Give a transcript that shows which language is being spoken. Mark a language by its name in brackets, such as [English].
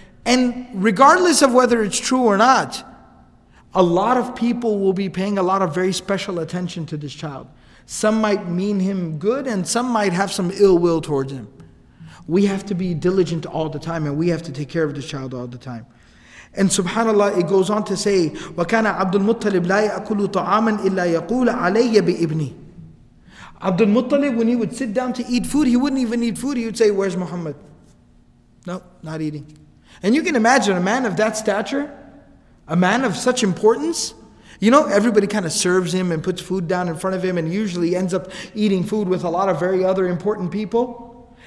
[English] And regardless of whether it's true or not, a lot of people will be paying a lot of very special attention to this child. Some might mean him good, and some might have some ill will towards him. We have to be diligent all the time, and we have to take care of this child all the time. And subhanAllah, it goes on to say, [Arabic] وَكَانَ عَبْدُ الْمُطَّلِبْ لَا يَأْكُلُ طَعَامًا إِلَّا يَقُولَ عَلَيَّ بِإِبْنِي. [English] Abdul Muttalib, when he would sit down to eat food, he wouldn't even eat food. He would say, where's Muhammad? No, not eating. And you can imagine, a man of that stature, a man of such importance, you know, everybody kind of serves him and puts food down in front of him, and usually ends up eating food with a lot of very other important people.